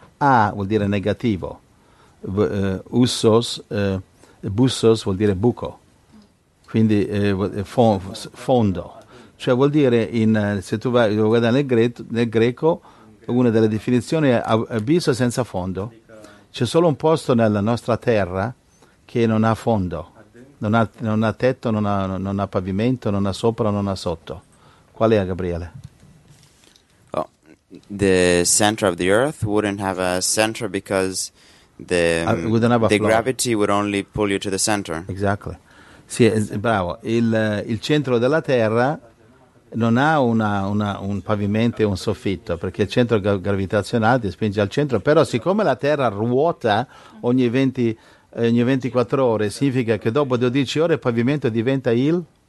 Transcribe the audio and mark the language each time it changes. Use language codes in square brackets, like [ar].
[it] A vuol dire negativo, bussos vuol dire buco, quindi fondo, cioè vuol dire, se tu vai a guardare nel greco, una delle definizioni è abisso senza fondo. C'è solo un posto nella nostra terra che non ha fondo, non ha tetto, non ha pavimento, non ha sopra, non ha sotto. Qual è, Gabriele? Oh, [en] the center of the earth wouldn't have a center because the gravity would only pull you to the center. Exactly. [it] Sì, bravo. Il centro della Terra non ha un pavimento e un soffitto, perché il centro gravitazionale ti spinge al centro, però siccome la Terra ruota ogni 24 ore, significa che dopo 12 ore il pavimento diventa il?